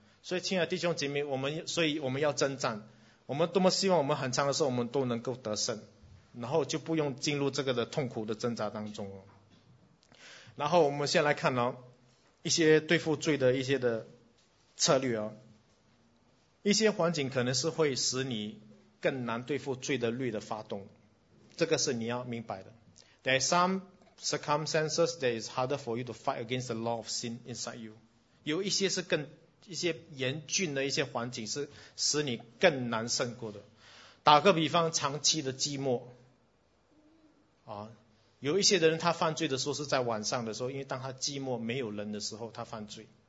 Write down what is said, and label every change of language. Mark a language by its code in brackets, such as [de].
[zh] 所以亲爱的弟兄姐妹，我们所以我们要征战，我们多么希望我们很长的时候我们都能够得胜，然后就不用进入这个的痛苦的挣扎当中。然后我们先来看哦，一些对付罪的一些的策略哦。一些环境可能是会使你更难对付罪的律的发动，这个是你要明白的。 [en] There are some circumstances that is harder for you to fight against the law of sin inside you. [zh] 有一些是更一些严峻的一些环境是使你更难胜过的。打个比方，长期的寂寞啊，有一些的人他犯罪的时候是在晚上的时候，因为当他寂寞没有人的时候他犯罪。